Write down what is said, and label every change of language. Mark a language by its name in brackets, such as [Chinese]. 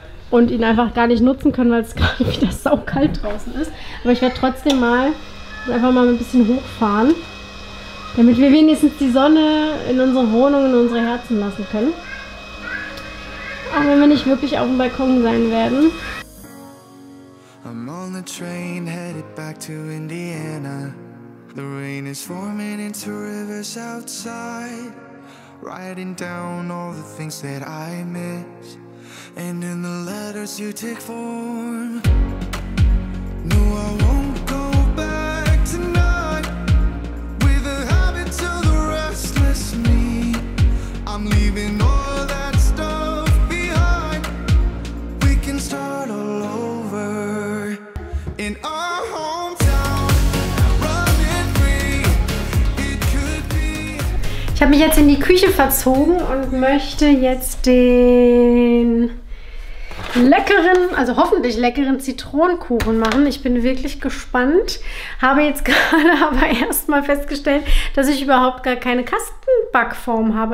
[German] Und ihn einfach gar nicht nutzen können, weil es gerade wieder saukalt draußen ist. Aber ich werde trotzdem mal einfach mal ein bisschen hochfahren, damit wir wenigstens die Sonne in unsere Wohnung, in unsere Herzen lassen können. Auch wenn wir nicht wirklich auf dem Balkon sein werden. [English] I'm on the train headed back to Indiana. The rain is forming into rivers outside. Writing down all the things that I miss. And in the letters you take form. No, I won't go back tonight. With a habit to the restless me. I'm leaving all that stuff behind. We can start all over. In our hometown, running free. It could be. [German] Ich habe mich jetzt in die Küche verzogen und möchte jetzt den leckeren, also hoffentlich leckeren Zitronenkuchen machen. Ich bin wirklich gespannt. Habe jetzt gerade aber erstmal festgestellt, dass ich überhaupt gar keine Kastenbackform habe.